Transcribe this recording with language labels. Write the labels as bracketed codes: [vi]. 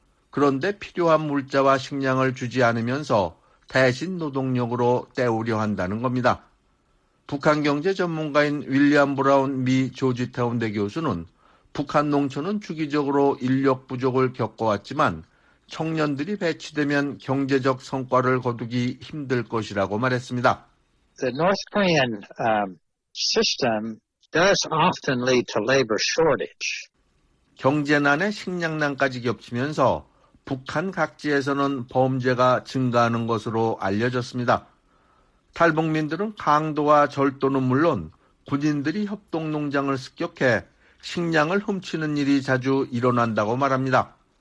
[ko] 그런데 필요한 물자와 식량을 주지 않으면서 대신 노동력으로 때우려 한다는 겁니다. 북한 경제 전문가인 윌리엄 브라운 미 조지타운대 교수는 북한 농촌은 주기적으로 인력 부족을 겪어왔지만 청년들이 배치되면 경제적 성과를 거두기 힘들 것이라고 말했습니다. [en] The North Korean system does often lead to labor shortage. [ko] 경제난에 식량난까지 겹치면서 북한 각지에서는 범죄가 증가하는 것으로 알려졌습니다. 탈북민들은 강도와 절도는 물론 군인들이 협동농장을 습격해 식량을 훔치는 일이 자주 일어난다고 말합니다.